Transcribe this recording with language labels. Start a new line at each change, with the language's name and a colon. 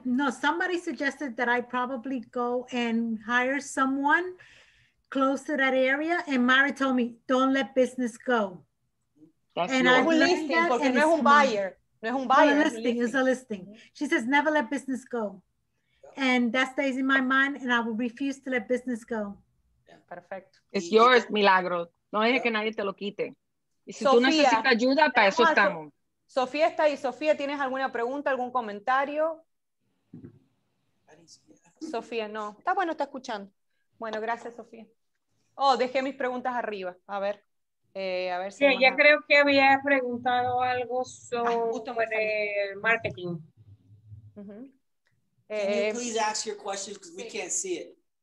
English: Somebody suggested that I probably go and hire someone close to that area, and Mayra told me, don't let business go. It's a listing. She says, never let business go. And that stays in my mind, and I will refuse to let business go. Yeah,
Spanish: perfecto.
English: It's yours,
Spanish: Milagro. No deje que nadie te lo quite. Y si Sofía, tú necesitas ayuda, para eso estamos. Sofía está ahí. Sofía, ¿tienes alguna pregunta, algún comentario? Sofía, no. Está bueno, está escuchando. Bueno, gracias, Sofía. Oh, dejé mis preguntas arriba. A ver. Creo que había preguntado algo sobre el marketing.
English: Can you please ask your questions because we can't see it.